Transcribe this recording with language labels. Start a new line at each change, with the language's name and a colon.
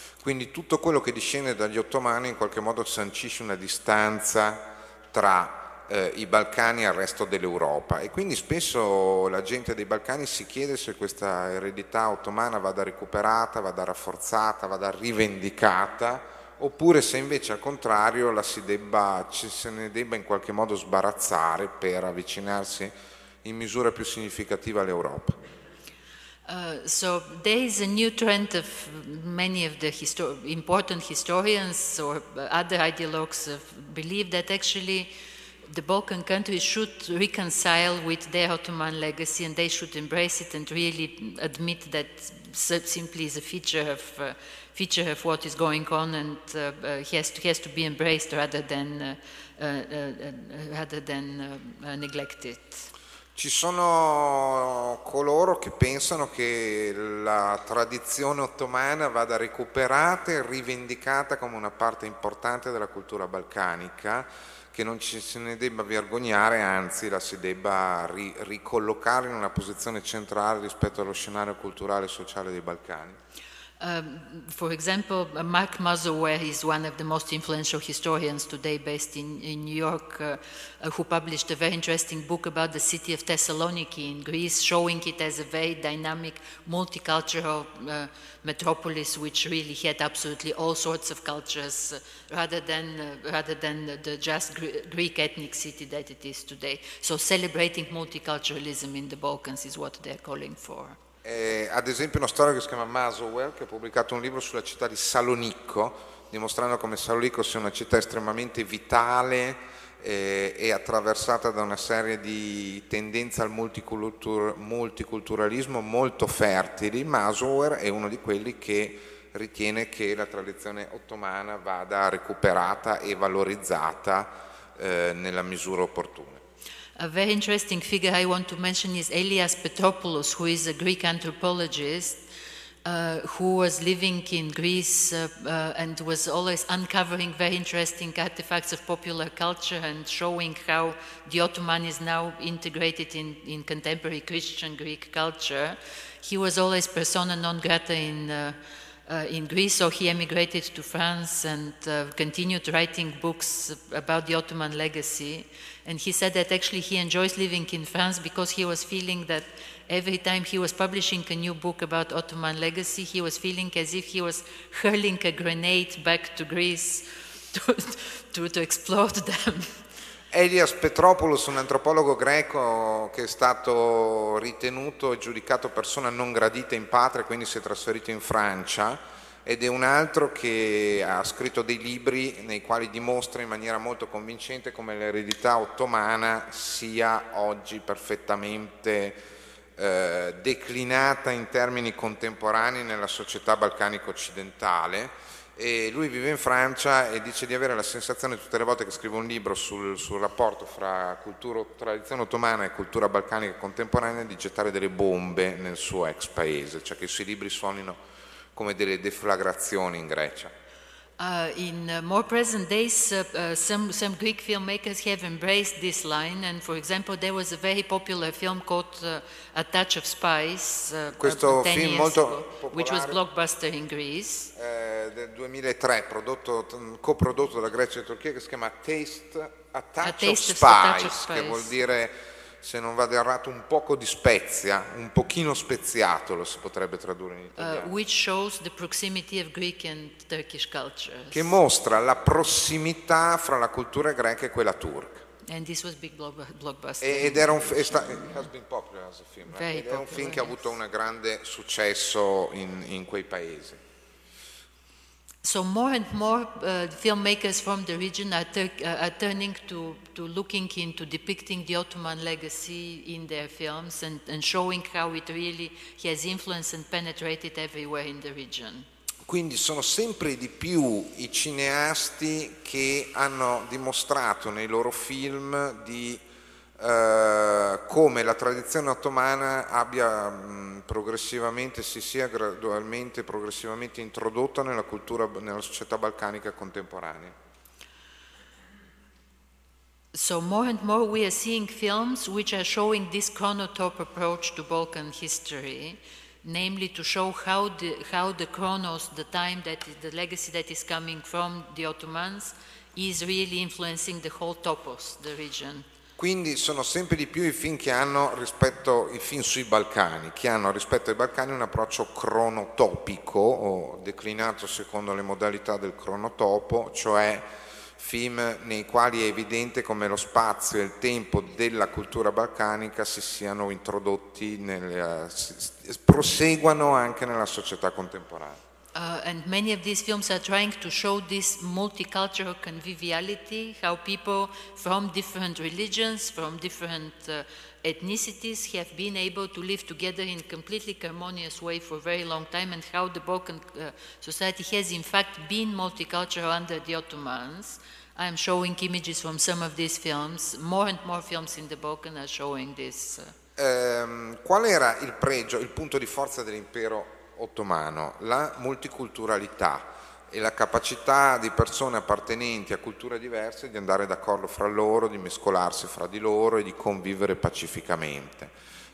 Italian: Quindi tutto quello che discende dagli ottomani in qualche modo sancisce una distanza tra i Balcani e il resto dell'Europa, e quindi spesso la gente dei Balcani si chiede se questa eredità ottomana vada recuperata, vada rafforzata, vada rivendicata, oppure se invece al contrario la si debba, se ne debba in qualche modo sbarazzare per avvicinarsi in misura più significativa all'Europa.
English: So there is a new trend of many of the important historians or other ideologues believe that actually the Balkan countries should reconcile with their Ottoman legacy and they should embrace it and really admit that simply is a feature of what is going on and has to be embraced rather than neglected.
Italian: Ci sono coloro che pensano che la tradizione ottomana vada recuperata e rivendicata come una parte importante della cultura balcanica, che non ci se ne debba vergognare, anzi la si debba ricollocare in una posizione centrale rispetto allo scenario culturale e sociale dei Balcani.
English: For example, Mark Musselwhite is one of the most influential historians today based in New York, who published a very interesting book about the city of Thessaloniki in Greece, showing it as a very dynamic, multicultural metropolis which really had absolutely all sorts of cultures rather than the just Greek ethnic city that it is today. So celebrating multiculturalism in the Balkans is what they're calling for.
Italian: Ad esempio uno storico che si chiama Musselwhite, che ha pubblicato un libro sulla città di Salonicco, dimostrando come Salonicco sia una città estremamente vitale e attraversata da una serie di tendenze al multiculturalismo molto fertili. Musselwhite è uno di quelli che ritiene che la tradizione ottomana vada recuperata e valorizzata nella misura opportuna.
English: A very interesting figure I want to mention is Elias Petropoulos, who is a Greek anthropologist who was living in Greece and was always uncovering very interesting artifacts of popular culture and showing how the Ottoman is now integrated in contemporary Christian Greek culture. He was always persona non grata in Greece, so he emigrated to France and continued writing books about the Ottoman legacy. And he said that actually he enjoys living in France because he was feeling that every time he was publishing a new book about Ottoman legacy, he was feeling as if he was hurling a grenade back to Greece to explode them.
Italian: Elias Petropoulos, un antropologo greco che è stato ritenuto e giudicato persona non gradita in patria, quindi si è trasferito in Francia, ed è un altro che ha scritto dei libri nei quali dimostra in maniera molto convincente come l'eredità ottomana sia oggi perfettamente declinata in termini contemporanei nella società balcanica occidentale. E lui vive in Francia e dice di avere la sensazione tutte le volte che scrive un libro sul rapporto fra cultura, tradizione ottomana e cultura balcanica contemporanea di gettare delle bombe nel suo ex paese, cioè che i suoi libri suonino come delle deflagrazioni in Grecia.
English: In more present days, some Greek filmmakers have embraced this line, and for example, there was a very popular film called A Touch of Spice,
Italian: questo film molto popolare,
English: which was blockbuster in Greece.
Italian: Del 2003, coprodotto da Grecia e Turchia, che si chiama A Touch of Spice, che vuol dire, se non vado errato, un poco di spezia, un pochino speziato, lo si potrebbe tradurre in italiano.
English: Which shows the proximity of Greek and Turkish cultures.
Italian: Che mostra la prossimità fra la cultura greca e quella turca.
English: And this was big blockbuster.
Italian: Ed era un film che ha avuto un grande successo in quei paesi.
English: So more and more filmmakers from the region are turning to looking into depicting the Ottoman legacy in their films and showing how it really has influenced and penetrated everywhere in the region.
Italian: Quindi sono sempre di più i cineasti che hanno dimostrato nei loro film di come la tradizione ottomana abbia progressivamente introdotta nella cultura, nella società balcanica contemporanea.
English: So more and more we are seeing films which are showing this chronotope approach to Balkan history, namely to show how the chronos, the time that is the legacy that is coming from the Ottomans, is really influencing the whole topos, the region.
Italian: Quindi sono sempre di più i film che hanno rispetto ai film sui Balcani, che hanno rispetto ai Balcani un approccio cronotopico, o declinato secondo le modalità del cronotopo, cioè film nei quali è evidente come lo spazio e il tempo della cultura balcanica si siano introdotti proseguano anche nella società contemporanea.
English: And many of these films are trying to show this multicultural conviviality, how people from different religions, from different ethnicities have been able to live together in a completely harmonious way for a very long time, and how the Balkan society has in fact been multicultural under the Ottomans. I am showing images from some of these films. More and more films in the Balkan are showing this.
Italian: Qual era il pregio, il punto di forza dell'impero ottomano? La multiculturalità e la capacità di persone appartenenti a culture diverse di andare d'accordo fra loro, di mescolarsi fra di loro e di convivere pacificamente.